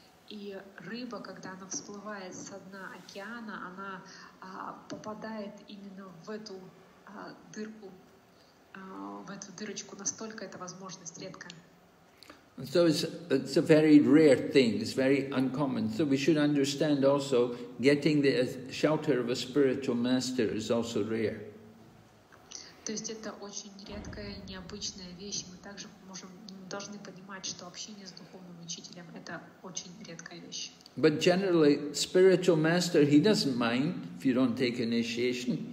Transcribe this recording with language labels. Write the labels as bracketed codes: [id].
[ru] И рыба, когда она всплывает со дна океана, она попадает именно в эту дырку, в эту дырочку. Настолько эта возможность редка. [en] So it's a very rare thing, it's very uncommon. So we should understand also getting the shelter of a spiritual master is also rare. [ru] То есть это очень редкая, необычная вещь. Мы также должны понимать, что общение с духовным учителем — это очень редкая вещь. [en] But generally, spiritual master, he doesn't mind if you don't take initiation.